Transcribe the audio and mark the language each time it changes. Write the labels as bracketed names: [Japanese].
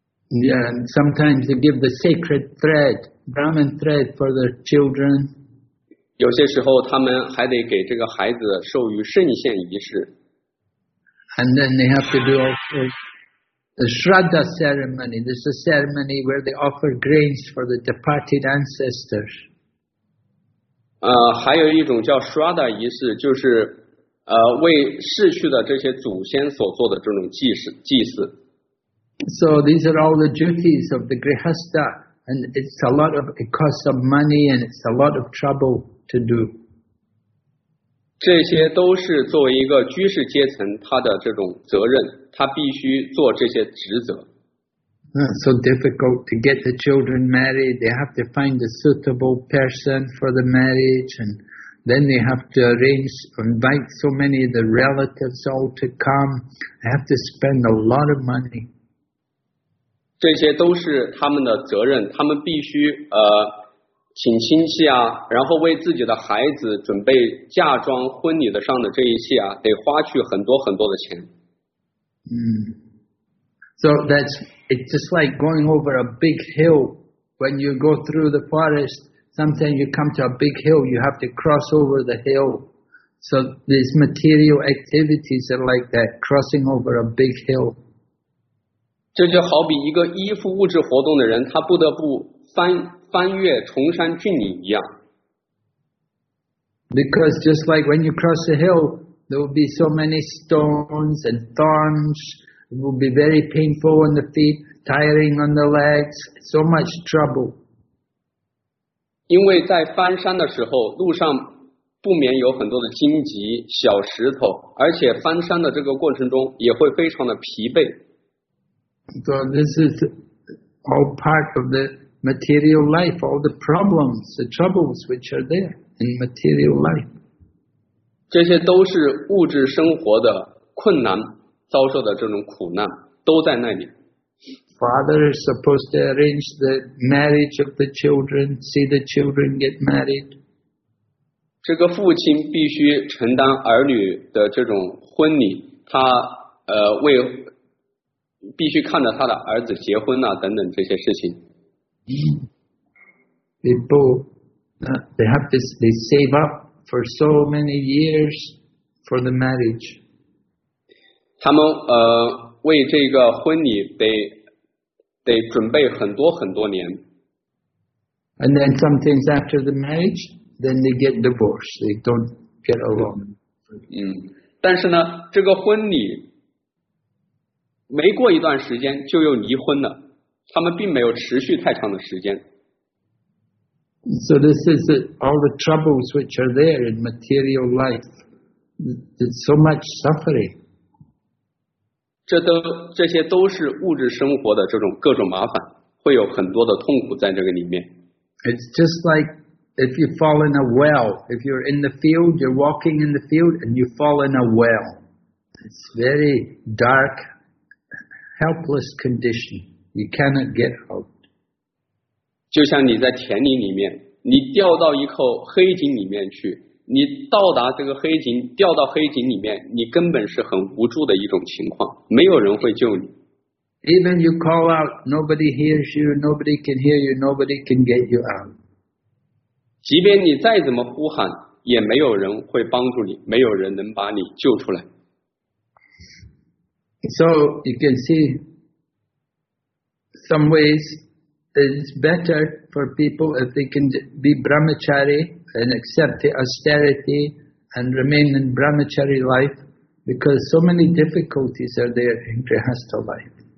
[English] Yeah, sometimes they give the sacred thread, Brahmin thread for their children. [Chinese] 有些时候他们还得给这个孩子授予圣献仪式。 [English] And then they have to do also the Shraddha ceremony. This is a ceremony where they offer grains for the departed ancestors. [Chinese] 还有一种叫 Shraddha 仪式，就是为逝去的这些祖先所做的这种祭祀。 [English] So these are all the duties of the Grihastha, and it costs some money and it's a lot of trouble. [Chinese] 这些都是作为一个居士阶层他的这种责任，他必须做这些职责。 [English] So difficult to get the children married. They have to find a suitable person for the marriage, and then they have to arrange, invite so many of the relatives all to come. They have to spend a lot of money. [Chinese] 这些都是他们的责任，他们必须请亲戚啊，然后为自己的孩子准备嫁妆婚礼的上的这一切啊，得花去很多很多的钱。 [English] So it's just like going over a big hill. When you go through the forest, sometimes you come to a big hill, you have to cross over the hill. So these material activities are like that, crossing over a big hill. [Chinese] 这就好比一个依附物质活动的人，他不得不翻越崇山峻岭一样。 [English] Because just like when you cross a hill, there will be so many stones and thorns. It will be very painful on the feet, tiring on the legs, so much trouble. [Chinese] 因为在翻山的时候，路上不免有很多的荆棘、小石头，而且翻山的这个过程中也会非常的疲惫。 [English] So this is all part of the. Material life, all the problems, the troubles which are there in material life. [Chinese] 这些都是物质生活的困难，遭受的这种苦难，都在那里。 [English] father is supposed to arrange the marriage of the children, see the children get married. [Chinese] 这个父亲必须承担儿女的这种婚礼，他为必须看着他的儿子结婚呐、啊，等等这些事情。 [English] People, they have to they save up for so many years for the marriage. [Chinese] 他们为这个婚礼得准备很多很多年。 [English] And then some things after the marriage. Then they get divorced. They don't get along. [Chinese] 嗯，但是呢，这个婚礼没过一段时间就又离婚了，他们并没有持续太长的时间。 [English] So this is it, all the troubles which are there in material life. There's so much suffering. [Chinese] 这些都是物质生活的这种各种麻烦，会有很多的痛苦在这个里面。 [English] It's just like. If you fall in a well, if you're in the field, you're walking in the field, and you fall in a well. It's very dark, helpless condition. You cannot get out. [Chinese] 就像你在田里面，你掉到一口黑井里面去，你到达这个黑井，掉到黑井里面，你根本是很无助的一种情况，没有人会救你。 [English] Even you call out, nobody hears you, nobody can hear you, nobody can get you out. [Chinese] 即便你再怎么呼喊，也没有人会帮助你，没有人能把你救出来。 [English] So you can see some ways it's better for people if they can be brahmachari and accept the austerity and remain in brahmachari life because so many difficulties are there in grihastha life.